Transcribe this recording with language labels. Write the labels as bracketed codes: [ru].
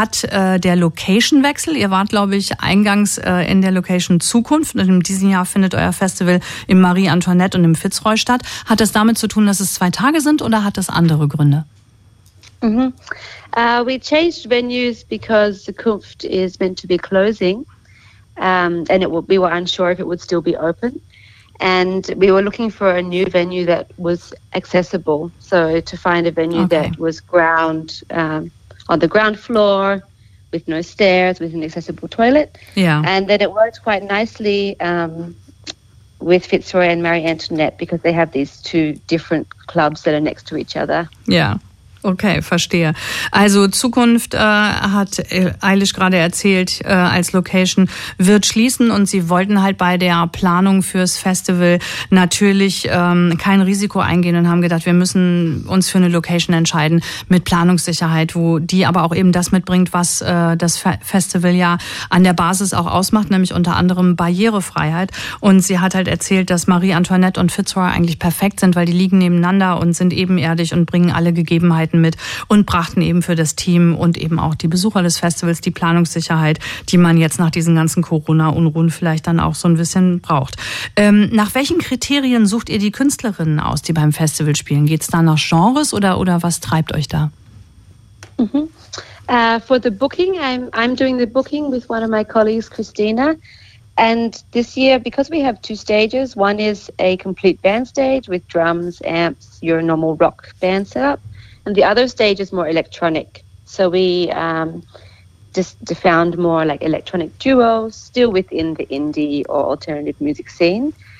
[de] Der Location-Wechsel, ihr wart, glaube ich, eingangs in der Location Zukunft und in diesem Jahr findet euer Festival im Marie Antoinette und im Fitzroy statt. Hat das damit zu tun, dass es 2 Tage sind oder hat das andere Gründe? Mm-hmm. [en] We changed venues because the Kunft is meant to be closing, and we were unsure if it would still be open. And we were looking for a new venue that was accessible. So to find a venue that was ground on the ground floor, with no stairs, with an accessible toilet. Yeah. And then it worked quite nicely with Fitzroy and Marie Antoinette because they have these 2 different clubs that are next to each other. Yeah. [de] Okay, verstehe. Also Zukunft hat Eilish gerade erzählt, als Location wird schließen und sie wollten halt bei der Planung fürs Festival natürlich kein Risiko eingehen und haben gedacht, wir müssen uns für eine Location entscheiden mit Planungssicherheit, wo die aber auch eben das mitbringt, was das Festival ja an der Basis auch ausmacht, nämlich unter anderem Barrierefreiheit. Und sie hat halt erzählt, dass Marie Antoinette und Fitzroy eigentlich perfekt sind, weil die liegen nebeneinander und sind ebenerdig und bringen alle Gegebenheiten mit und brachten eben für das Team und eben auch die Besucher des Festivals die Planungssicherheit, die man jetzt nach diesen ganzen Corona-Unruhen vielleicht dann auch so ein bisschen braucht. Nach welchen Kriterien sucht ihr die Künstlerinnen aus, die beim Festival spielen? Geht es da nach Genres oder was treibt euch da? [en] For the booking, I'm doing the booking with one of my colleagues, Christina. And this year, because we have 2 stages, one is a complete band stage with drums, amps, your normal rock band setup. And the other stage is more electronic. So we just found more like electronic duos still within the indie or alternative music scene.